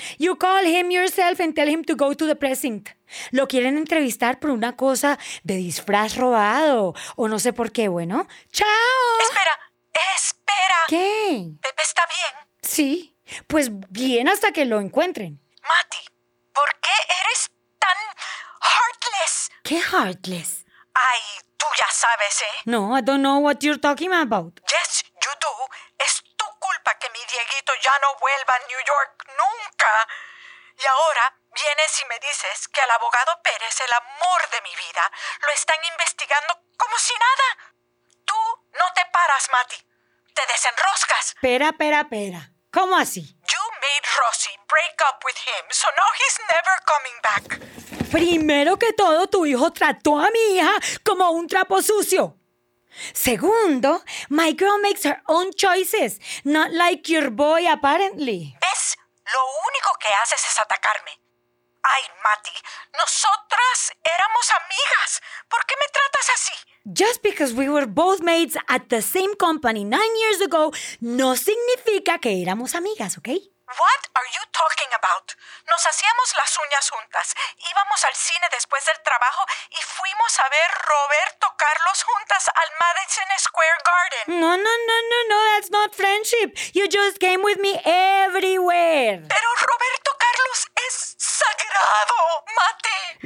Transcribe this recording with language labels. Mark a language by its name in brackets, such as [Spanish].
[English] You call him yourself and tell him to go to the precinct. [Spanish] Lo quieren entrevistar por una cosa de disfraz robado o no sé por qué. Bueno, ¡chao! Espera. ¡Espera! ¿Qué? ¿Pepe está bien? Sí, pues bien hasta que lo encuentren. Matty, ¿por qué eres tan heartless? ¿Qué heartless? Ay, tú ya sabes, ¿eh? [English] No, I don't know what you're talking about. Yes, you do. [Spanish] Es tu culpa que mi Dieguito ya no vuelva a New York nunca. Y ahora vienes y me dices que al abogado Pérez, el amor de mi vida, lo están investigando como si nada. No te paras, Matty. Te desenroscas. Espera. ¿Cómo así? [English] You made Rosie break up with him, so now he's never coming back. [Spanish] Primero que todo, tu hijo trató a mi hija como un trapo sucio. Segundo, [English] my girl makes her own choices, not like your boy, apparently. [Spanish] ¿Ves? Lo único que haces es atacarme. Ay, Matty, nosotras éramos amigas. ¿Por qué me tratas así? [English] Just because we were both maids at the same company 9 years ago [Spanish] no significa que éramos amigas, [English] ¿ok? What are you talking about? [Spanish] Nos hacíamos las uñas juntas, íbamos al cine después del trabajo y fuimos a ver Roberto Carlos juntas al Madison Square Garden. [English] No, that's not friendship. You just came with me everywhere. [Spanish] Pero Roberto Carlos es sagrado, Matty.